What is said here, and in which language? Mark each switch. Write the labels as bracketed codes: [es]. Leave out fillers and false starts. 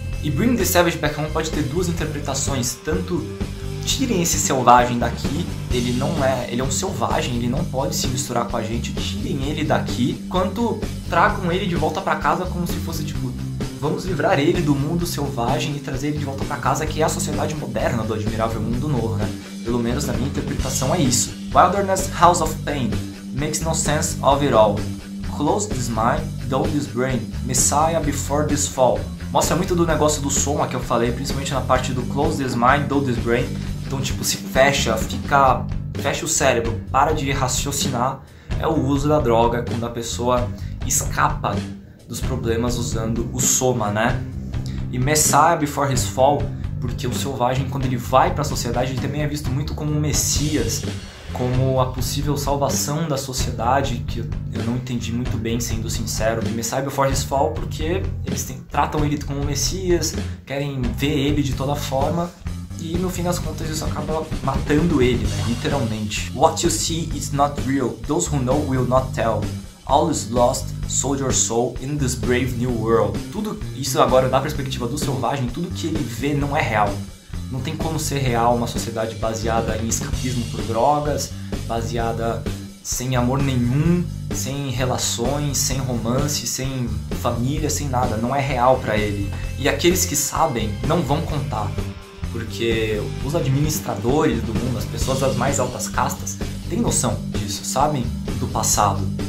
[pt] E Bring the Savage Back Home pode ter duas interpretações, tanto tirem esse selvagem daqui, ele é um selvagem, ele não pode se misturar com a gente, tirem ele daqui, quanto tragam ele de volta pra casa como se fosse tipo, vamos livrar ele do mundo selvagem e trazer ele de volta pra casa, que é a sociedade moderna do admirável mundo novo, né? Pelo menos na minha interpretação é isso. [en] Wilderness, House of Pain, makes no sense of it all. Close this mind, dull this brain, Messiah before this fall. [pt] Mostra muito do negócio do som que eu falei, principalmente na parte do [en] close this mind, dull this brain. [pt] Então tipo, se fecha, fica, fecha o cérebro, para de raciocinar. É o uso da droga, quando a pessoa escapa dos problemas usando o soma, né? E [en] Messiah before his fall, [pt] porque o selvagem, quando ele vai para a sociedade, ele também é visto muito como um messias, como a possível salvação da sociedade, que eu não entendi muito bem, sendo sincero. [en] Messiah before his fall, [pt] porque eles tratam ele como um messias, querem ver ele de toda forma, e no fim das contas isso acaba matando ele, né? Literalmente. [en] What you see is not real, those who know will not tell. All is lost, sold your soul in this brave new world. [pt] Tudo isso agora, da perspectiva do selvagem, tudo que ele vê não é real. Não tem como ser real uma sociedade baseada em escapismo por drogas, baseada sem amor nenhum, sem relações, sem romance, sem família, sem nada. Não é real pra ele. E aqueles que sabem não vão contar, porque os administradores do mundo, as pessoas das mais altas castas, têm noção disso, sabem do passado.